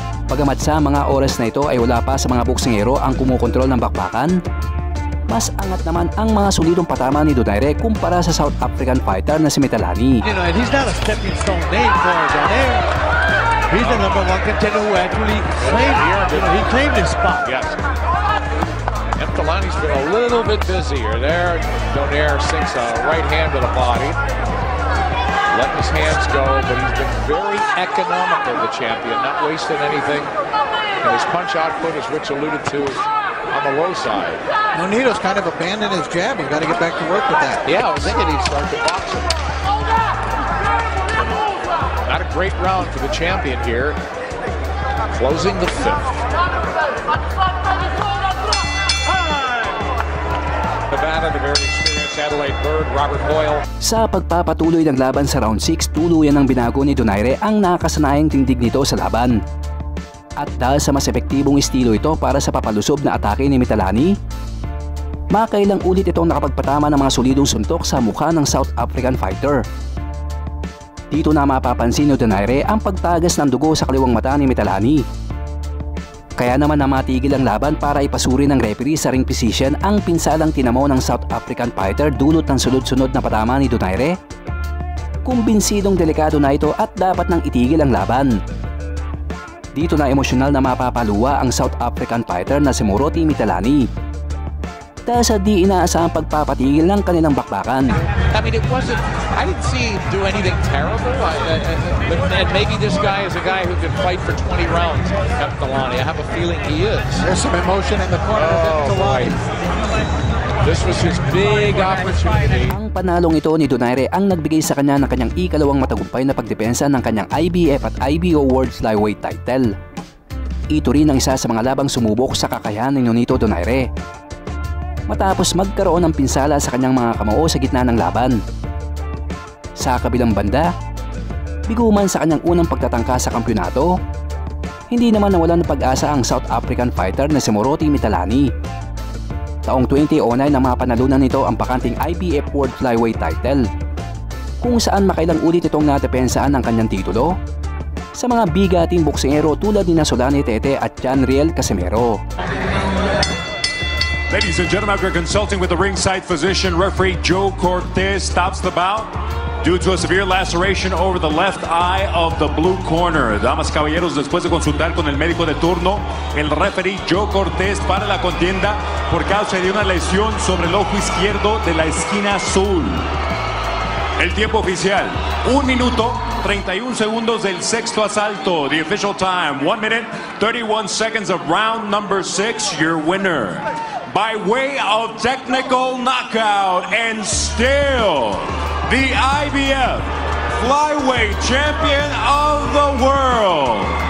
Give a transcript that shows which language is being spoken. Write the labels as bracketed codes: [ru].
[tl] Pagamat sa mga oras na ito ay wala pa sa mga boksingero ang kumukontrol ng bakbakan, mas angat naman ang mga solidong patama ni Donaire kumpara sa South African fighter na si Mthalane. [en] You know, and he's not a stepping stone name for Donaire. He's the number one contender who actually claimed, he claimed his spot. Yes. Mthalane's been a little bit busier there. Donaire sinks a right hand to the body. Letting his hands go, but he's been very economical, the champion, not wasting anything. And his punch output, as Rich alluded to, is on the low side. Nonito's kind of abandoned his jab. He's got to get back to work with that. Yeah, I was thinking he'd start to box him. Not a great round for the champion here. Closing the fifth. Nevada, the very experienced Adelaide Bird, Robert Boyle. [tl] Sa pagpapatuloy ng laban sa round 6, tuluyan ang binago ni Donaire ang nakasanayang tindig nito sa laban. At dahil sa mas epektibong estilo ito para sa papalusob na atake ni Mthalane, makailang ulit itong nakapagpatama ng mga solidong suntok sa mukha ng South African fighter. Dito na mapapansin ni Donaire ang pagtagas ng dugo sa kaliwang mata ni Mthalane. Kaya naman na matigil ang laban para ipasuri ng referee sa ring position ang pinsalang tinamo ng South African fighter dulot ng sunod-sunod na patama ni Donaire. Kumbinsidong delikado na ito at dapat nang itigil ang laban. Dito na emosyonal na mapapaluwa ang South African fighter na si Moruti Mthalane. Dahil sa di inaasahang pagpapatigil ng kanilang bakbakan. [en] I mean, it wasn't, I didn't see him do anything terrible. And maybe this guy is a guy who can fight for 20 rounds, Mthalane. I have a feeling he is. There's some emotion in the corner of Mthalane. This was his big opportunity. [tl] Ang panalong ito ni Donaire ang nagbigay sa kanya ng kanyang ikalawang matagumpay na pagdepensa ng kanyang IBF at IBO World Flyweight title. Ito rin ang isa sa mga labang sumubok sa kakayahan ni Nonito Donaire. Matapos magkaroon ng pinsala sa kanyang mga kamao sa gitna ng laban. Sa kabilang banda, biguman sa kanyang unang pagtatangka sa kampyonato, hindi naman nawalan ng pag-asa ang South African fighter na si Moruti Mthalane. Taong 2009 na mapanalunan nito ang pakanting IBF World Flyweight title, kung saan makailang ulit itong natepensaan ang kanyang titulo sa mga bigating boksingero tulad ni Zolani Tete at Riel Casimero. [en] Ladies and gentlemen, after consulting with the ringside physician, referee Joe Cortez stops the bout due to a severe laceration over the left eye of the blue corner. [es] Damas caballeros, después de consultar con el médico de turno, el referee Joe Cortez para la contienda por causa de una lesión sobre el ojo izquierdo de la esquina azul. El tiempo oficial, 1 minuto 31 segundos del sexto asalto. [en] The official time, 1 minute 31 seconds of round number 6, your winner. By way of technical knockout and still the IBF flyweight champion of the world,